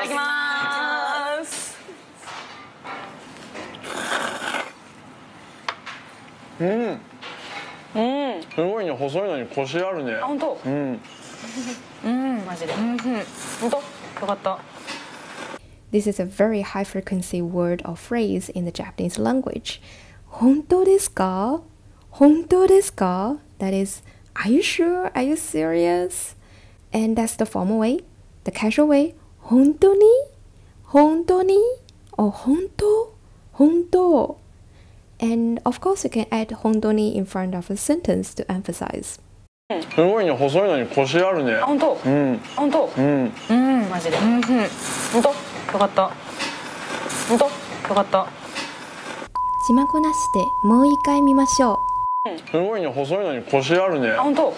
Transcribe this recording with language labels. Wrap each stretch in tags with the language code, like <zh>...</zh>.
<ja>いただきますうんうんすごいね細いのにコシあるねあ本当うんうんマジで本当よかった</ja> <en>This is a very high frequency word or phrase in the Japanese language</en> <ja>本当ですか本当ですか</ja> <en>That is Are you sure? Are you serious? And that's the formal way. The casual way,</en> <ja>本当に?本当に? Or 本当?本当?</ja> <en>And of course, you can add 本当に in front of a sentence to emphasize.</en> <ja>すごいね、細いのに腰あるね。本当? うん。本当? うん。うん、マジで。本当?よかった。本当?よかった。字幕なしでもう一回見ましょう。すごいね、細いのに腰あるねあ、ほんと</ja>